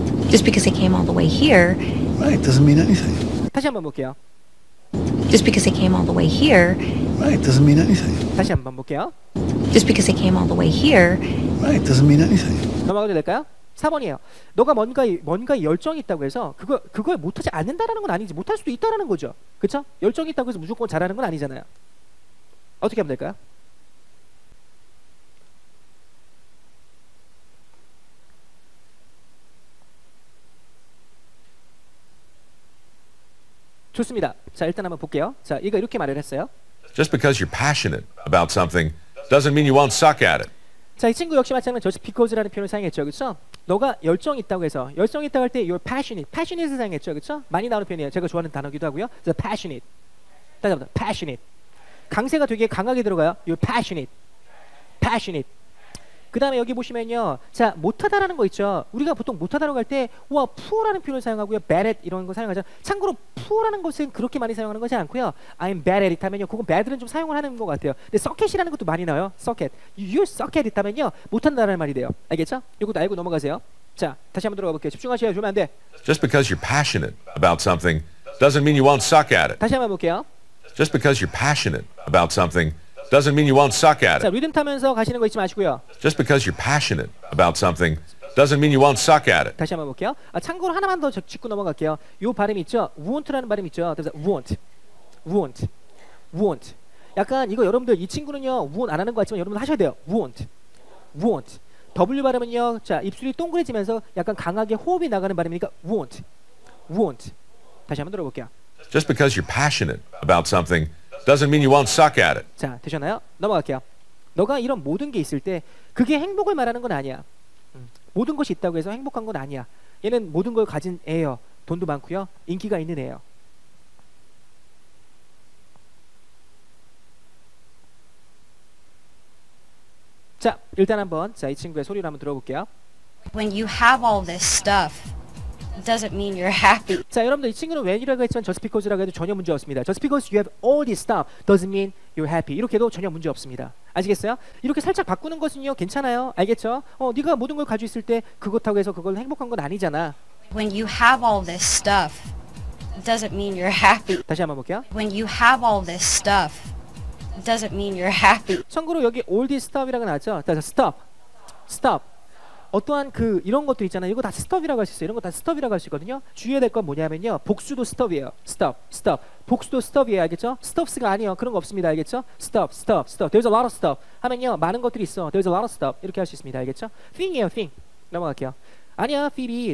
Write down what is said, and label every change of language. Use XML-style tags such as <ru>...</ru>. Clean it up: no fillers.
<en>Just because they came all the way here, it doesn't mean anything.</en> <ko>다시 한번 볼게요.</ko> <en>Just because they came all the way here, it doesn't mean anything.</en> <ko>다시 한번 볼게요.</ko> <en>Just because they came all the way here, it doesn't mean anything.</en> <ko>넘어가도 될까요? 4번이에요. 너가 뭔가 열정이 있다고 해서 그걸 못하지 않는다는 건 아니지. 못할 수도 있다는 거죠. 그렇죠? 열정이 있다고 해서 무조건 잘하는 건 아니잖아요. 어떻게 하면 될까요? 좋습니다. 자, 일단 한번 볼게요. 자, 이거 이렇게 말을 했어요.</ko> <en>Just because you're passionate about something doesn't mean you won't suck at it.</en> <ko>자, 이 친구 역시 마찬가지로 just because라는 표현을 사용했죠. 그렇죠? 너가 열정 있다고 해서 열정 있다고 할 때 you're passionate. passionate을 사용했죠. 그렇죠? 많이 나오는 표현이에요. 제가 좋아하는 단어기도 하고요.</ko> <en>the passionate.</en> <ko>다시 한번</ko> <en>passionate.</en> <ko>강세가 되게 강하게 들어가요.</ko> <en>you're passionate. passionate.</en> <ko>그다음에 여기 보시면요. 자, 못하다라는 거 있죠. 우리가 보통 못하다라고 할 때 와, poor라는 표현을 사용하고요. bad at 이런 거 사용하죠. 참고로 poor라는 것은 그렇게 많이 사용하는 거지 않고요.</ko> <en>I'm bad at it</en> <ko>하면요. 그건 bad는 좀 사용을 하는 것 같아요. 근데 suck at이라는 것도 많이 나와요. suck at.</ko> <en>you're suck at it</en> <ko>하면요. 못한다라는 말이 돼요. 알겠죠? 이것도 알고 넘어가세요. 자, 다시 한번 들어가 볼게요. 집중하셔야 좋으면 안 돼.</ko> <en>Just because you're passionate about something doesn't mean you won't suck at it.</en> <ko>다시 한번 볼게요.</ko> <en>Just because you're passionate about something Doesn't mean you won't suck at it.</en> <ko>자, 리듬 타면서 가시는 거 잊지 마시고요.</ko> <en>Just because you're passionate about something doesn't mean you won't suck at it.</en> <ko>다시 한번 볼게요. 아, 참고로 하나만 더 짚고 넘어갈게요. 요 발음 있죠? Won't라는 발음 있죠? 그래서 won't. Won't. Won't. 약간 이거 여러분들 이 친구는요. won't 안 하는 거 같지만 여러분들 하셔야 돼요. Won't. Won't. W 발음은요. 자, 입술이 동그래지면서 약간 강하게 호흡이 나가는 발음이니까 won't. Won't. 다시 한번 들어볼게요.</ko> <en>Just because you're passionate about something doesn't mean you won't suck at it.</en> <ko>자, 되셨나요? 넘어갈게요. 너가 이런 모든 게 있을 때 그게 행복을 말하는 건 아니야. 모든 것이 있다고 해서 행복한 건 아니야. 얘는 모든 걸 가진 애예요. 돈도 많고요. 인기가 있는 애예요. 자, 일단 한번 자, 이 친구의 소리를 한번 들어볼게요.</ko> <en>When you have all this stuff, doesn't mean you're happy.</en> <ko>자, 여러분들 이 친구는 when이라고 했지만 just because라고 해도 전혀 문제 없습니다.</ko> <en>Just because you have all this stuff doesn't mean you're happy.</en> <ko>이렇게도 전혀 문제 없습니다. 아시겠어요? 이렇게 살짝 바꾸는 것은요, 괜찮아요. 알겠죠? 어, 네가 모든 걸 가지고 있을 때 그것하고 해서 그걸 행복한 건 아니잖아.</ko> <en>When you have all this stuff, doesn't mean you're happy.</en> <ko>다시 한번 볼게요.</ko> <en>When you have all this stuff, doesn't mean you're happy.</en> <ko>참고로 여기 all this stuff이라고 나왔죠? 자, stop. Stop. 어떠한 그 이런 것도 있잖아요. 이거 다 stop이라고 할 수 있어요. 이런 거 다 stop이라고 할 수 있거든요. 주의해야 될 건 뭐냐면요. 복수도 stop이에요. Stop, stop. 복수도 stop이에요. 알겠죠? Stops가 아니에요. 그런 거 없습니다. 알겠죠? Stop, stop, stop.</ko> <en>There's a lot of stuff.</en> <ko>하면요. 많은 것들이 있어. There's a lot of stuff. 이렇게 할 수 있습니다. 알겠죠? Thing이에요. Thing. 넘어갈게요. 아니야, Phoebe.</ko>